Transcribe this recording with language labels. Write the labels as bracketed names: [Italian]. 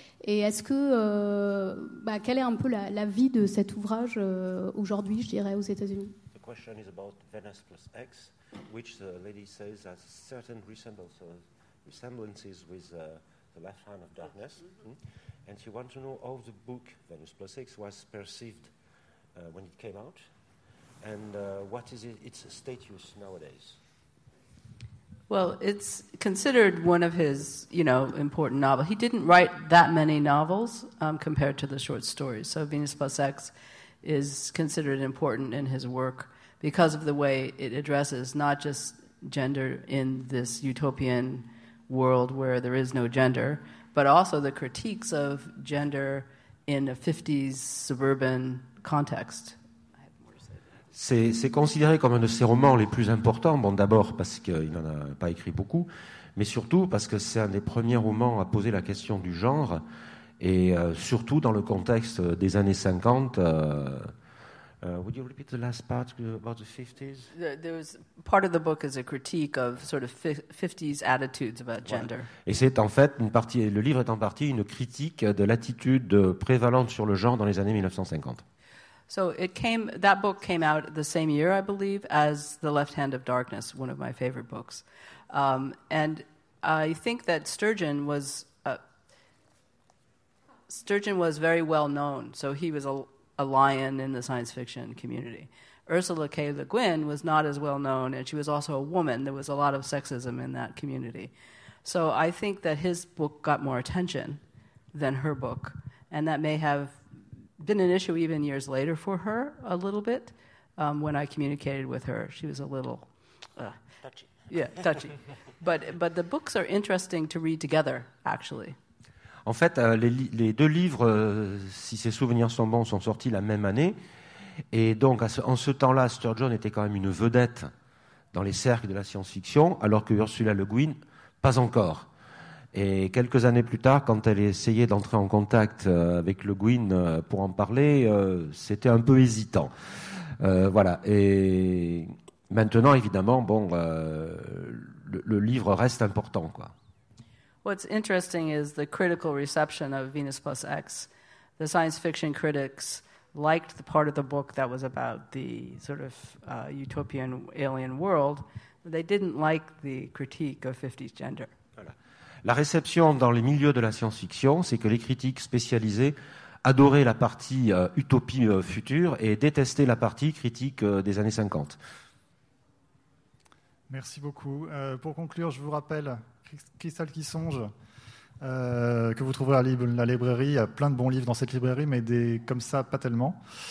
[French] Et est-ce que, quelle est un peu la vie de cet ouvrage aujourd'hui, je dirais, aux États-Unis? La question est sur Venus plus X, qui, la dame, dit qu'il y a certaines ressemblances avec The Left Hand of Darkness. Et elle veut savoir comment le livre Venus plus X a été perçu [English] when it came out, and what is its status nowadays? Well, it's considered one of his, you know, important novels. He didn't write that many novels compared to the short stories. So Venus Plus X is considered important in his work because of the way it addresses not just gender in this utopian world where there is no gender, but also the critiques of gender in a 50s suburban context. [French] C'est considéré comme un de ses romans les plus importants. Bon, d'abord parce qu'il n'en a pas écrit beaucoup, mais surtout parce que c'est un des premiers romans à poser la question du genre, et surtout dans le contexte des années 50. [English] Would you repeat the last part about the 50s? There was part of the book is a critique of sort of 50s attitudes about gender. [French] Voilà. Et c'est en fait une partie. Le livre est en partie une critique de l'attitude prévalente sur le genre dans les années 1950. [English] So it came. That book came out the same year, I believe, as The Left Hand of Darkness, one of my favorite books. And I think that Sturgeon was very well known. So he was a lion in the science fiction community. Ursula K. Le Guin was not as well known, and she was also a woman. There was a lot of sexism in that community. So I think that his book got more attention than her book, and that may have been an issue even years later for her a little bit when I communicated with her. She was a little touchy. Yeah, touchy. but the books are interesting to read together, actually. [French] En fait, les deux livres, si ses souvenirs sont bons, sont sortis la même année. Et donc, en ce temps-là, Sturgeon était quand même une vedette dans les cercles de la science-fiction, alors que Ursula Le Guin, pas encore. Et quelques années plus tard, quand elle essayait d'entrer en contact avec Le Guin pour en parler, c'était un peu hésitant. Voilà. Et maintenant, évidemment, bon, le livre reste important, quoi. [English] What's interesting is the critical reception of Venus Plus X. The science fiction critics liked the part of the book that was about the sort of utopian alien world. They didn't like the critique of 50s gender. [French] Voilà. La réception dans les milieux de la science-fiction, c'est que les critiques spécialisées adoraient la partie utopie future et détestaient la partie critique des années 50. Merci beaucoup. Pour conclure, je vous rappelle Cristal qui songe, que vous trouverez à la librairie. Il y a plein de bons livres dans cette librairie, mais des comme ça, pas tellement.